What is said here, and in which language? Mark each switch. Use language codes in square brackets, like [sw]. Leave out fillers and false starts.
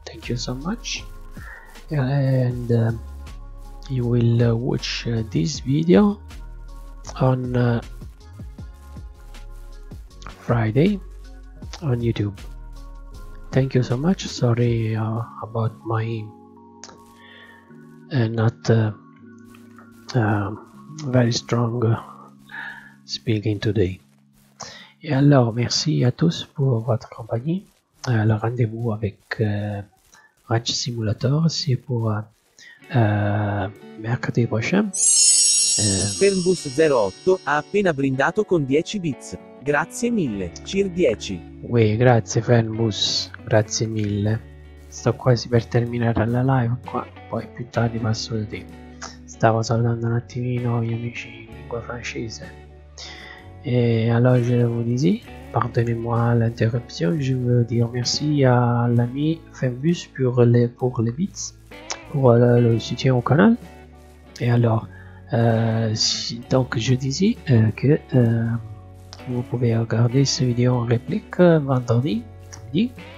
[en] Thank you so much, and you will watch this video on Friday on YouTube. Thank you so much. Sorry about my not very strong speaking today. [fr] Et alors, merci à tous pour votre compagnie. Le rendez-vous avec Ratch Simulator, c'est pour mercredi prochain. [it] Fernbus 08 ha appena brindato con 10 bits. Grazie mille, CIR 10. [fr] Oui, [it] grazie Fernbus, grazie mille. Sto quasi per terminare la live qua, poi più tardi passo il tempo. Stavo salutando un attimino gli amici in lingua francese. [fr] Et alors je vous dis, pardonnez-moi l'interruption, je veux dire merci à l'ami Fembus pour les bits, pour le soutien au canal. Et alors, donc je dis que vous pouvez regarder cette vidéo en réplique vendredi midi.